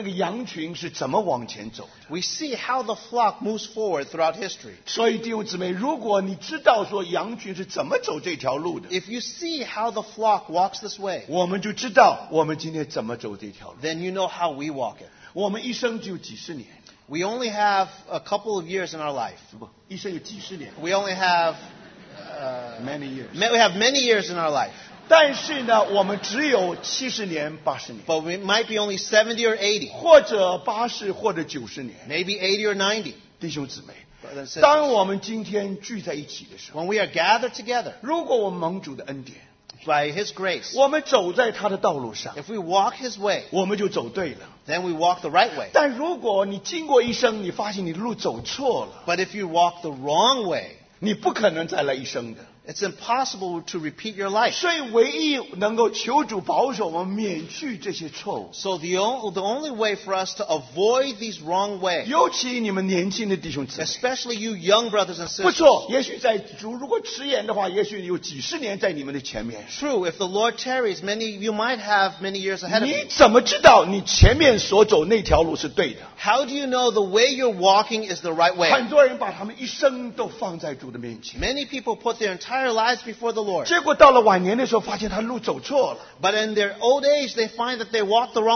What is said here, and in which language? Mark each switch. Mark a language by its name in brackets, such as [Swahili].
[Chinese] 我们知道整个教会的历史就给我们看见那个羊群是怎么往前走的。 [English] We see how the flock moves forward throughout history. [Chinese] 所以弟兄姊妹, 如果你知道说羊群是怎么走这条路的, [English] if you see how the flock walks this way, [Chinese] 我们就知道我们今天怎么走这条路。 [English] Then you know how we walk it. [Chinese] 我们一生就几十年。 [English] We only have a couple of years in our life. [Chinese] 不,一生有几十年。 [English] We only have many years. We have many years in our life. [Chinese] 但是呢, 我们只有70年, 80年, [English] but we might be only 70 or 80. [Chinese] 或者80, 或者90年, [English] maybe 80 or 90. [Chinese] 弟兄姊妹, [English] sisters, [Chinese] 当我们今天聚在一起的时候, [English] when we are gathered together, [Chinese] 如果我们蒙主的恩典, [English] by his grace, [Chinese] 我们走在他的道路上, [English] if we walk his way, [Chinese] 我们就走对了。 [English] Then we walk the right way. [Chinese] 但如果你经过一生, 你发现你路走错了, [English] but if you walk the wrong way, [Chinese] 你不可能再来一生的。 [English] It's impossible to repeat your life. [Chinese] 所以唯一能够求主保守我们免去这些错误。 [English] So the only way for us to avoid these wrong ways, [Chinese] 尤其你们年轻的弟兄姊妹, [English] especially you young brothers and sisters, [Chinese] 不错, 也许在主如果迟延的话, 也许有几十年在你们的前面。 [English] True, if the Lord tarries, you might have many years ahead of you. [Chinese] 你怎么知道你前面所走那条路是对的? [English] How do you know the way you're walking is the right way? [Chinese] 很多人把他们一生都放在主的面前。 [English] Many people put their entire lives before the Lord. [Chinese] 结果到了晚年的时候发现他路走错了。 [English] But in their old age, they find that they walk the wrong